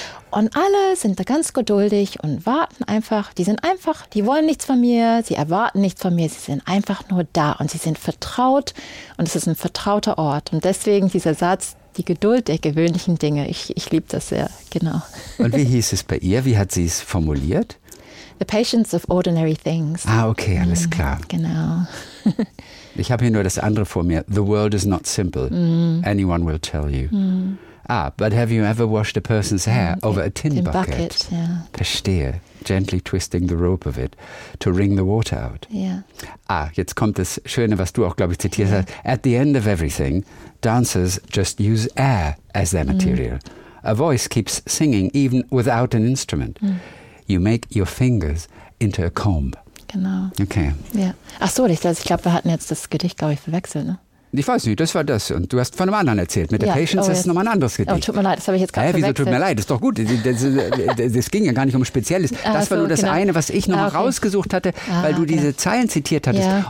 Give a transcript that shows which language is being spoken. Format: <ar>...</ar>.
<de>Und alle sind da ganz geduldig und warten einfach. Die sind einfach, die wollen nichts von mir, sie erwarten nichts von mir, sie sind einfach nur da und sie sind vertraut und es ist ein vertrauter Ort. Und deswegen dieser Satz, die Geduld der gewöhnlichen Dinge, ich liebe das sehr, genau. Und wie hieß es bei ihr, wie hat sie es formuliert?</de> <en>The patience of ordinary things.</en> <de>Ah, okay, alles klar. Genau. Ich habe hier nur das andere vor mir.</de> <en>The world is not simple, anyone will tell you. But have you ever washed a person's hair over a tin bucket?</en> <de>Verstehe.</de> <en>Gently twisting the rope of it to wring the water out. Yeah.</en> <de>Jetzt kommt das Schöne, was du auch, glaube ich, zitiert hast.</de> <en>At the end of everything, dancers just use air as their material. A voice keeps singing even without an instrument. You make your fingers into a comb.</en> <de>Genau. Okay. Ja. Ach so, ich glaube, wir hatten jetzt das Gedicht, glaube ich, verwechselt, ne? Ich weiß nicht, das war das. Und du hast von einem anderen erzählt. Mit der Patience ist es nochmal ein anderes Gedicht. Oh, tut mir leid, das habe ich jetzt gerade verwechselt. Wieso tut mir leid? Das ist doch gut. Das ging ja gar nicht um Spezielles. Das war nur das eine, was ich nochmal rausgesucht hatte, weil du diese Zeilen zitiert hattest. Ja.</de>